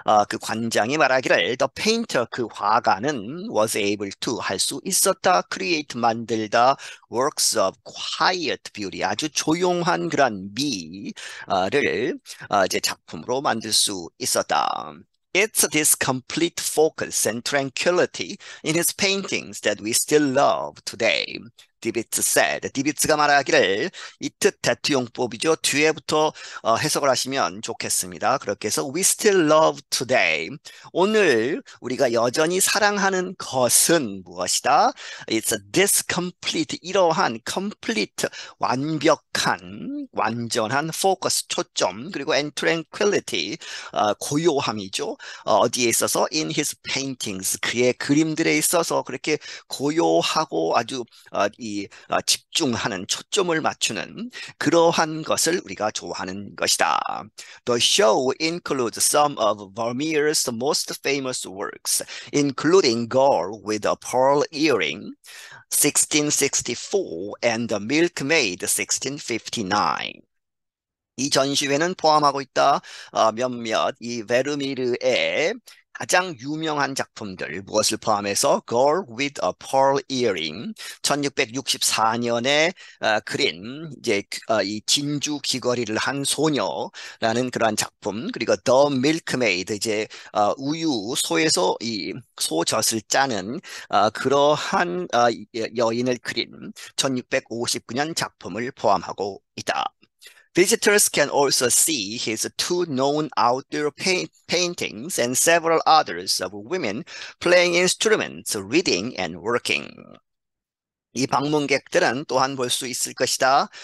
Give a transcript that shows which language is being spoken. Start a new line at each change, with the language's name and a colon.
Korean: 그 관장이 말하기를
English: the painter
Korean: 그 화가는
English: was able to
Korean: 할수 있었다.
English: create
Korean: 만들다.
English: works of quiet beauty
Korean: 아주 조용한 그런 미 영화를 이제 작품으로 만들 수 있었다.
English: It's this complete focus and tranquility in his paintings that we still love today. Dibbitt said.
Korean: Dibbitt가 말하기를 이트 테트 용법이죠. 뒤에부터 해석을 하시면 좋겠습니다. 그렇게 해서
English: we still love today.
Korean: 오늘 우리가 여전히 사랑하는 것은 무엇이다?
English: It's this complete
Korean: 이러한 complete 완벽한 완전한
English: focus
Korean: 초점 그리고
English: and tranquility
Korean: 고요함이죠. 어디에 있어서
English: in his paintings
Korean: 그의 그림들에 있어서 그렇게 고요하고 아주 이 집중하는 초점을 맞추는 그러한 것을 우리가 좋아하는 것이다.
English: The show includes some of Vermeer's most famous works, including Girl with a Pearl Earring, 1664, and The Milkmaid, 1659.
Korean: 이 전시회는 포함하고 있다. 몇몇 이 베르미르의 가장 유명한 작품들, 무엇을 포함해서 Girl with a Pearl Earring, 1664년에 그린 이제 이 진주 귀걸이를 한 소녀라는 그러한 작품, 그리고 The Milkmaid, 이제 우유 소에서 이 소젖을 짜는 그러한 여인을 그린 1659년 작품을 포함하고 있다.
English: Visitors can also see his two known outdoor paintings and several others of women playing instruments, reading and working.
Korean: 이 방문객들은 또한 볼수 있을 것이다.